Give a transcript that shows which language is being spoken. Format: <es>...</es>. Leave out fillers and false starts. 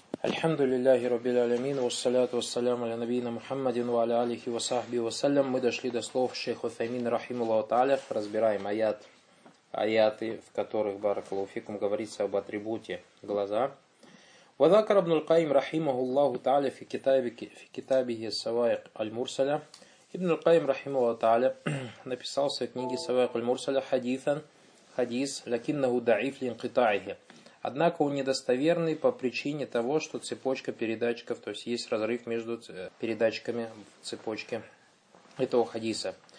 <ar>الحمد لله رب العالمين والصلاة والسلام على نبينا محمد وعلى آله وصحبه وسلم.</ar> <ru>Мы дошли до слов шейха Усаймина рахимаху тааля. Разбираем аяты, в которых</ru> <ar>баракаллаху фикум</ar> <ru>говорится об атрибуте глаза.</ru> <ar>وذكر ابن القيم رحمه الله تعالى في كتابه السوائق المرسلة.</ar> <ru>Ибн аль-Кайм рахимаху тааля написал в своей книге Савайк аль-Мурсаля хадис,</ru> <ar>лякиннаху даиф линкитаихи.</ar> <ru>Однако он недостоверный по причине того, что цепочка передатчиков, то есть есть разрыв между передатчиками в цепочке этого хадиса.</ru>